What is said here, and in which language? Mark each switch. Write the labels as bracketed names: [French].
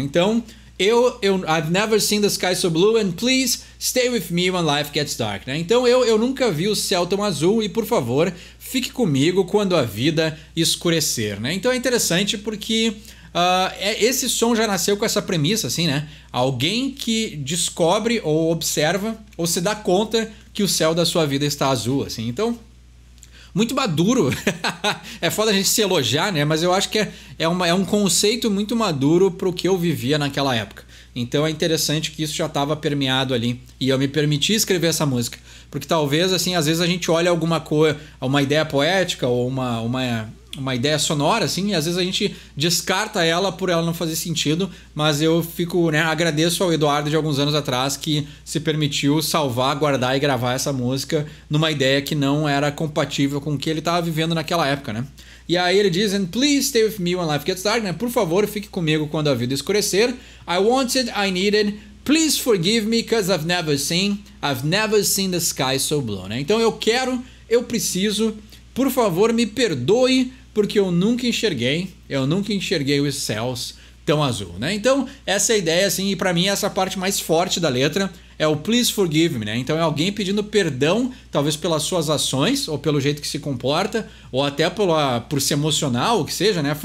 [Portuguese] Então, [English] I've never seen the sky so blue and please stay with me when life gets dark, [Portuguese] né? Então, eu nunca vi o céu tão azul e, por favor, fique comigo quando a vida escurecer, né? Então, é interessante porque... esse som já nasceu com essa premissa, assim, né? Alguém que descobre ou observa ou se dá conta que o céu da sua vida está azul, assim. Então, muito maduro. É foda a gente se elogiar, né? Mas eu acho que é um conceito muito maduro para o que eu vivia naquela época. Então, é interessante que isso já estava permeado ali e eu me permiti escrever essa música. Porque talvez, assim, às vezes a gente olha alguma coisa, uma ideia poética ou uma ideia sonora, assim, e às vezes a gente descarta ela por ela não fazer sentido, mas eu fico, né, agradeço ao Eduardo de alguns anos atrás que se permitiu salvar, guardar e gravar essa música numa ideia que não era compatível com o que ele estava vivendo naquela época, né? E aí ele diz, [English] and please stay with me when life gets dark, [Portuguese] né? Por favor, fique comigo quando a vida escurecer. [English] I wanted, I needed, please forgive me because I've never seen the sky so blue, [Portuguese] né? Então eu quero, eu preciso... Por favor, me perdoe, porque eu nunca enxerguei os céus tão azul, né? Então, essa é a ideia, assim, e pra mim essa parte mais forte da letra é o [English] please forgive me, [Portuguese] né? Então é alguém pedindo perdão, talvez pelas suas ações, ou pelo jeito que se comporta, ou até por se emocionar, ou o que seja, né?